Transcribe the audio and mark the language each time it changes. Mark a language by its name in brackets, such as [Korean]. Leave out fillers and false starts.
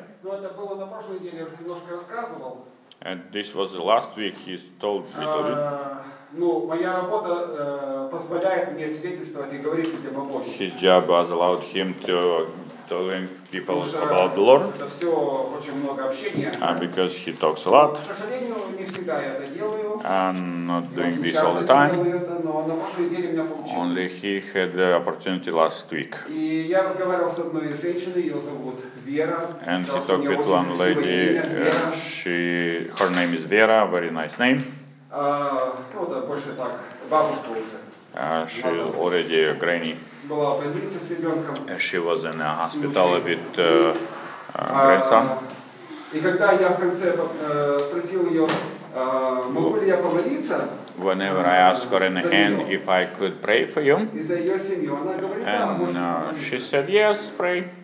[Russian] Ну, это было на прошлой неделе, я немножко рассказывал. [English] And this was last week, he told me to do. [Russian] Ну, моя работа позволяет мне свидетельствовать и говорить людям о Боге. [English] His job has allowed him to tell people about the Lord. [Russian] Это все очень много общения. [English] And because he talks a lot. [Russian] К сожалению, не всегда я это делаю. [English] And not doing this all the time. [Russian] Но на прошлой неделе у меня получилось. [English] Only he had the opportunity last week. [Russian] И я разговаривал с одной женщиной, ее зовут Вера. [English] And he talked with one lady, her name is Vera, very nice name. [Russian] Ну да, больше так, бабушка уже. [English] She is already a granny. [Russian] Была в больнице с ребенком. [English] She was in a hospital with grandson. [Russian] И когда я в конце спросил ее, могу ли я помолиться? [English] Whenever I asked her in the end if I could pray for you, and she said yes, pray.